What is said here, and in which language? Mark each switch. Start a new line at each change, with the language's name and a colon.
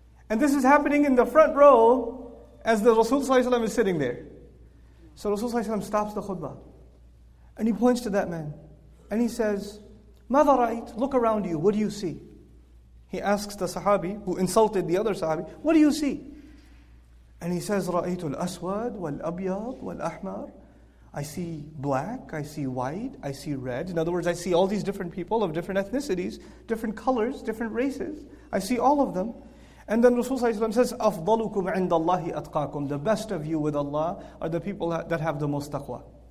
English: And this is happening in the front row as the Rasulullah ﷺ is sitting there. So Rasulullah ﷺ stops the khutbah. And he points to that man. And he says,
Arabic: ماذا رأيت?
English: Look around you. What do you see? He asks the sahabi, who insulted the other sahabi, what do you see? And he says,
Arabic: رأيت الأسود والأبيض والأحمر.
English: I see black, I see white, I see red. In other words, I see all these different people of different ethnicities, different colors, different races. I see all of them. And then Rasulullah says,
Arabic: أفضلكم عند الله أتقاكم.
English: The best of you with Allah are the people that have the most taqwa.